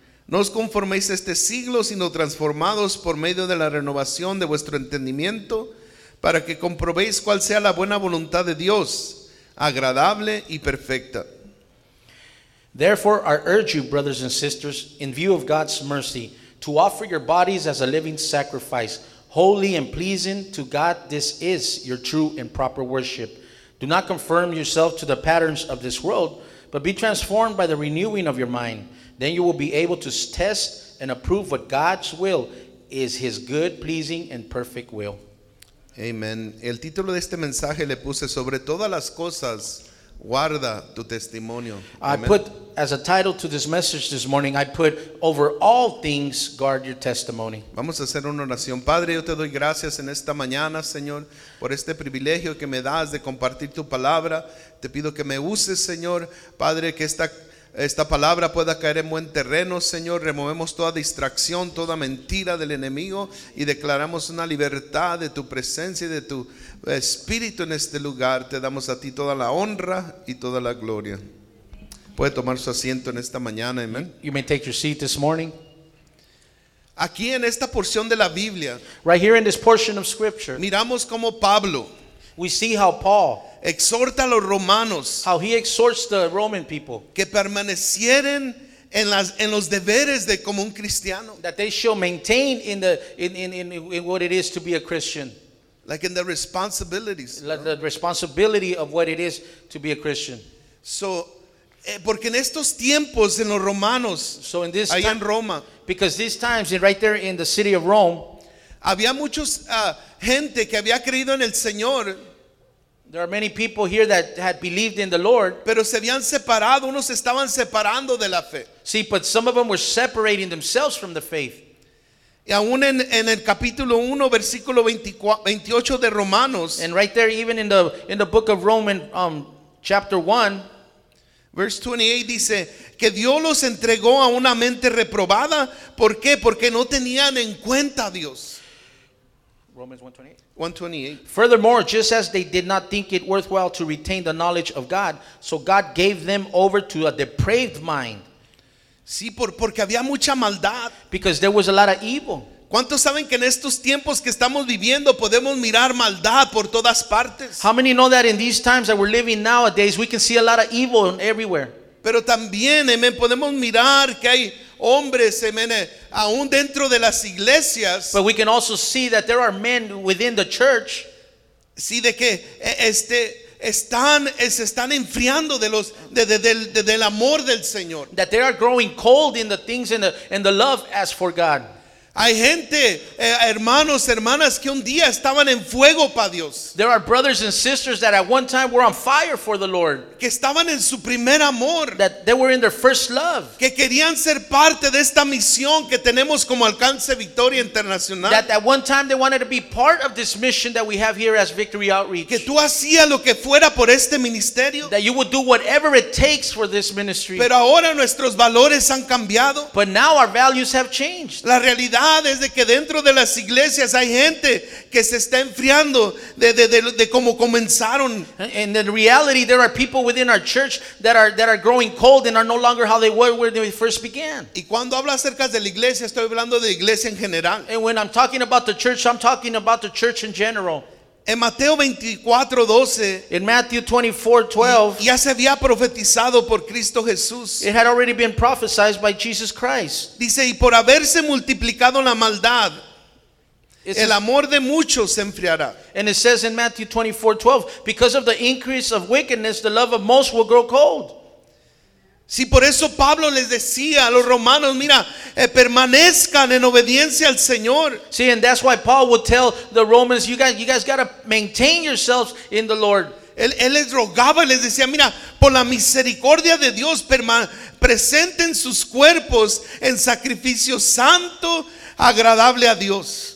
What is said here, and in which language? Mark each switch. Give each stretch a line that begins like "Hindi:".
Spanish: No os conforméis a este siglo, sino transformados por medio de la renovación de vuestro entendimiento, para que comprobéis cuál sea la buena voluntad de Dios, agradable y perfecta.
English: Therefore, I urge you, brothers and sisters, in view of God's mercy, to offer your bodies as a living sacrifice, holy and pleasing to God. This is your true and proper worship. Do not conform yourself to the patterns of this world, but be transformed by the renewing of your mind. Then you will be able to test and approve what God's will is, his good, pleasing, and perfect will.
Spanish: Amen. El título de este mensaje le puse, sobre todas las cosas, Guarda tu testimonio.
English: I Amen. Put as a title to this message this morning, I put over all things, guard your testimony.
Spanish: Vamos a hacer una oración. Padre, yo te doy gracias en esta mañana, Señor, por este privilegio que me das de compartir tu palabra. Te pido que me uses, Señor, Padre, que esta palabra pueda caer en buen terreno, Señor. Removemos toda distracción, toda mentira del enemigo y declaramos una libertad de tu presencia y de tu espíritu en este lugar. Te damos a ti toda la honra y toda la gloria. Puede tomar su asiento en esta mañana, amen.
English: You may take your seat this morning.
Spanish: Aquí en esta porción de la Biblia,
English: right here in this portion of scripture,
Spanish: miramos como Pablo,
English: we see how Paul
Spanish: exhorta a los romanos,
English: how he exhorts the Roman people,
Spanish: que permanecieran en los deberes de como un cristiano,
English: that they shall maintain in the in what it is to be a Christian, like in the responsibilities, the responsibility of what it is to be a Christian. So,
Spanish: porque en estos tiempos en los romanos,
English: so in this
Spanish: ahí en Roma,
English: because these times right there in the city of Rome,
Spanish: había muchos gente que había creído en el Señor.
English: There are many people here that had believed in the Lord.
Spanish: Pero se habían separado, unos estaban separando de la fe.
English: See, but some of them were separating themselves from the faith.
Spanish: Y aún en el capítulo 1, versículo 28 de Romanos.
English: And right there, even in the book of Romans, chapter 1,
Spanish: verse 28 dice, que Dios los entregó a una mente reprobada. ¿Por qué? Porque no tenían en cuenta a Dios.
English: Romans 1:28. Furthermore, just as they did not think it worthwhile to retain the knowledge of God, so God gave them over to a depraved mind.
Spanish: Sí, porque había mucha maldad.
English: Because there was a lot of evil.
Spanish: ¿Cuántos saben que en estos tiempos que estamos viviendo podemos mirar maldad por todas partes?
English: How many know that in these times that we're living nowadays, we can see a lot of evil everywhere?
Spanish: Pero también, amen, podemos mirar que hay hombres, amen, aún dentro de las iglesias.
English: But we can also see that there are men within the church.
Spanish: Sí, de que están enfriando de los del amor del Señor.
English: That they are growing cold in the things and the love as for God.
Spanish: Hay gente, hermanos, hermanas que un día estaban en fuego para Dios.
English: There are brothers and sisters that at one time were on fire for the Lord.
Spanish: Que estaban en su primer amor.
English: That they were in their first love.
Spanish: Que querían ser parte de esta misión que tenemos como Alcance Victoria Internacional.
English: That at one time they wanted to be part of this mission that we have here as Victory Outreach.
Spanish: Que tú hacías lo que fuera por este ministerio.
English: That you would do whatever it takes for this ministry.
Spanish: Pero ahora nuestros valores han cambiado.
English: But now our values have changed.
Spanish: La realidad es de que dentro de las iglesias hay gente que se está enfriando de cómo comenzaron.
English: And in reality, there are people within our church that are growing cold and are no longer how they were when they first began.
Spanish: Y cuando hablo acerca de la iglesia, estoy hablando de iglesia en general.
English: And when I'm talking about the church, I'm talking about the church in general.
Spanish: En Mateo 24:12,
English: in Matthew 24:12,
Spanish: ya se había profetizado por Cristo Jesús.
English: It had already been prophesied by Jesus Christ.
Spanish: Dice, y por haberse multiplicado la maldad, el amor de muchos se enfriará.
English: And it says in Matthew 24:12, because of the increase of wickedness, the love of most will grow cold.
Spanish: Si por eso Pablo les decía a los romanos, mira, permanezcan en obediencia al Señor.
English: See, and that's why Paul would tell the Romans, you guys got to maintain yourselves in the Lord.
Spanish: Él les rogaba, les decía, mira, por la misericordia de Dios, presenten sus cuerpos en sacrificio santo, agradable a Dios.